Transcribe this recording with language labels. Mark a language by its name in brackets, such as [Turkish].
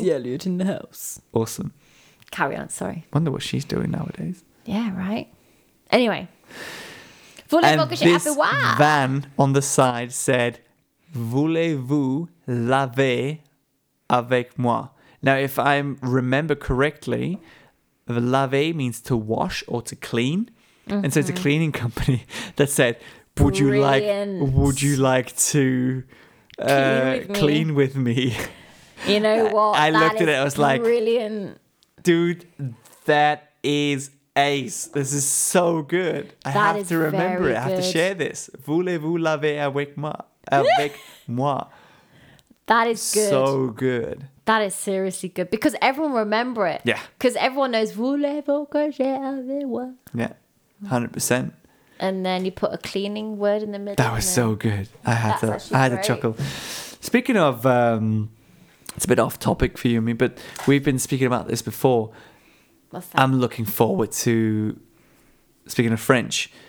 [English] Missy Elliott in the house. Awesome. Carry on, sorry. Wonder what she's doing nowadays. Yeah, right. Anyway. And this van on the side said, [French] "Voulez-vous laver avec moi?" [English] Now, if I remember correctly, laver means to wash or to clean. Mm-hmm. And so it's a cleaning company that said, would you like to clean with me? You know what? I looked at it, I was like, brilliant. Dude, that is ace. This is so good. I have to remember it. I have to share this. [French] Voulez-vous laver avec moi? Avec moi. [English] That is good. So good. That is seriously good. Because everyone remember it. Yeah. Because everyone knows [French] voulez-vous coucher avec moi. [English] Yeah. 100%. And then you put a cleaning word in the middle. That was so good. I had a chuckle. Speaking of, it's a bit off topic for you and me, but we've been speaking about this before. I'm looking forward to speaking of French.